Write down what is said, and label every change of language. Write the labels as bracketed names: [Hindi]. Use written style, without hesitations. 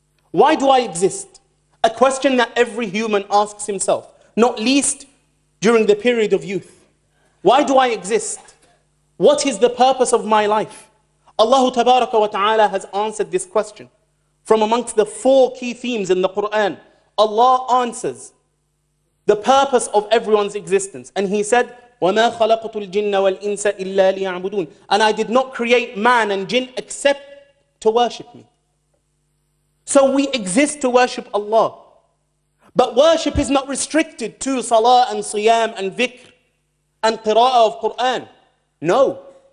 [English] Why do I exist? A question that every human asks himself, not least during the period of youth. Why do I exist? What is the purpose of my life? Allah tabaraka wa ta'ala has answered this question. From amongst the four key themes in the Quran, Allah answers the purpose of everyone's existence. [Arabic] And he said, وَمَا خَلَقْتُ الْجِنَّ وَالْإِنسَ إِلَّا لِيَعْبُدُونَ. [English] And I did not create man and jinn except to worship me. So we exist to worship Allah. But worship is not restricted to salah and siyam and dhikr and qira'ah of Quran. No.